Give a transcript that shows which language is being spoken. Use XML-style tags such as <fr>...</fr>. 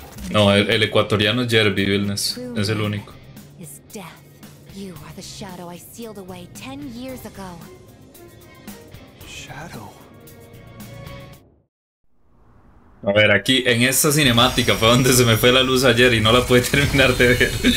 <es>No, el ecuatoriano Jerby Vilnes es el único.</es> <en>Is death. You are the shadow I sealed away 10 years ago. Shadow.</en> <es>A ver, aquí en esta cinemática fue donde se me fue la luz ayer y no la pude terminar de ver.</es>